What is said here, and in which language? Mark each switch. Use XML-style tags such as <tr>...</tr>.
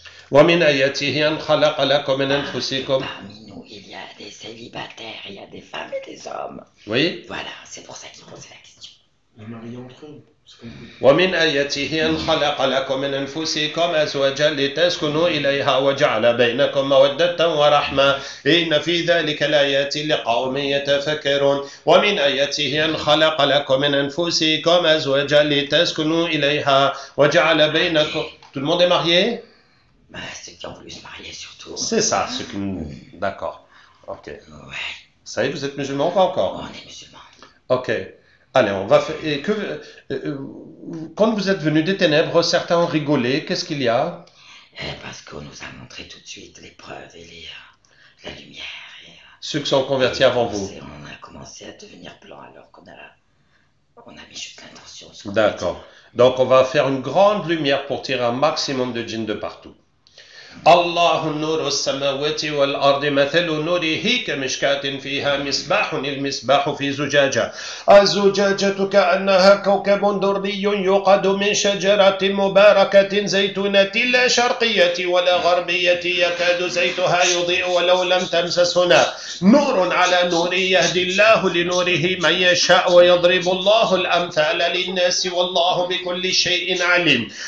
<ar>ومن آياته أن خلق لكم من أنفسكم.</ar> <fr>Parmi nous, il y a des célibataires, il y a des femmes et des hommes. Oui. Voilà, c'est pour ça qu'ils posent la question. Les mariés entre eux.</fr> <ar>ومن آياته أن خلق لكم من أنفسكم أزواجا لتسكنوا إليها وجعل بينكم مودة ورحمة إن في ذلك لآيات لقوم يتفكرون ومن آياته أن خلق لكم من أنفسكم أزواجا لتسكنوا إليها وجعل بينكم</ar> <fr>Tout le monde est marié? Bah, ceux qui ont voulu se marier surtout. C'est ça, ce que... D'accord. Ok. Ouais. Ça y est, vous êtes musulman ou pas encore? On est musulman. Ok. Allez, on va faire. Et que, quand vous êtes venu des ténèbres, certains ont rigolé. Qu'est-ce qu'il y a? Parce qu'on nous a montré tout de suite l'épreuve et la lumière. Et, ceux qui sont convertis avant vous. On a commencé à devenir blanc alors qu'on a mis juste l'intention. D'accord. Donc on va faire une grande lumière pour tirer un maximum de djinns de partout.</fr> <ar>الله النور السماوات والأرض مثل نوره كمشكاة فيها مصباح المصباح في زجاجة الزجاجة كأنها كوكب دري يقاد من شجرة مباركة زيتونة لا شرقية ولا غربية يكاد زيتها يضيء ولو لم تمسس هنا نور على نور يهدي الله لنوره من يشاء ويضرب الله الأمثال للناس والله بكل شيء عليم</ar>